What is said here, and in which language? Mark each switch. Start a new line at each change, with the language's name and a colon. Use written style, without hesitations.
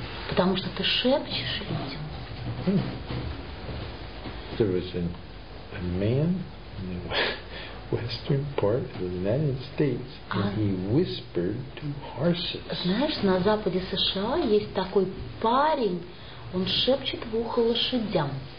Russian: Потому что ты шепчешь людям.
English: There was a man in the western part of the United States, and he whispered to horses.
Russian: Знаешь, на западе США есть такой парень, он шепчет в ухо лошадям.